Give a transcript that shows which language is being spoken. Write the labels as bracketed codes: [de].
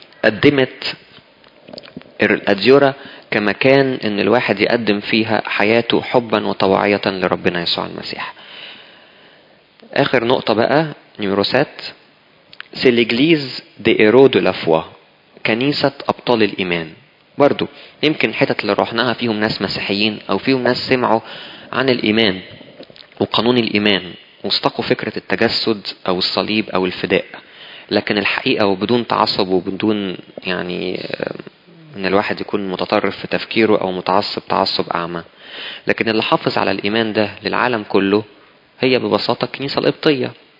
[ar] قدمت الأديرة كمكان ان الواحد يقدم فيها حياته حبا وطوعية لربنا يسوع المسيح. اخر نقطة بقى نيوروسات. [fr] C'est l'église des héros de la foi. [ar] كنيسة ابطال الايمان. برضو يمكن حتة اللي روحناها فيهم ناس مسيحيين او فيهم ناس سمعوا عن الايمان وقانون الإيمان واستقوا فكرة التجسد أو الصليب أو الفداء. لكن الحقيقة وبدون تعصب وبدون يعني أن الواحد يكون متطرف في تفكيره أو متعصب تعصب أعمى, لكن اللي حافظ على الإيمان ده للعالم كله هي ببساطة الكنيسة القبطية.